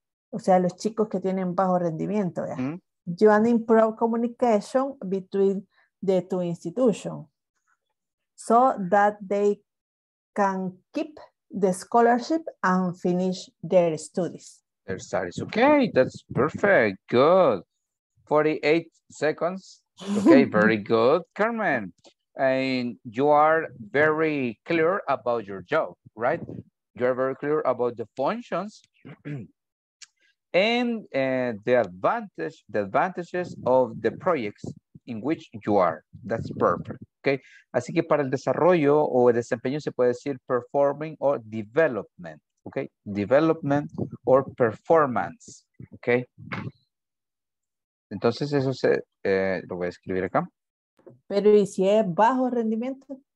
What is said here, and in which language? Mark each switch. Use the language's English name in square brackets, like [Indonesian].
[Spanish] O sea, los chicos que tienen bajo rendimiento. Yeah. Mm-hmm. [English] You want to improve communication between the two institutions so that they can keep the scholarship and finish their studies. Their studies. Okay, that's perfect. Good. 48 seconds. Okay, very good, Carmen. And you are very clear about your job, right? You are very clear about the functions. And the advantages of the projects in which you are. That's perfect, okay? [Spanish] Así que para el desarrollo o el desempeño se puede decir [English] performing or development, [Spanish] okay? [English] Development or performance, okay? [Spanish] Entonces eso se, lo voy a escribir acá. Pero ¿y si es bajo rendimiento?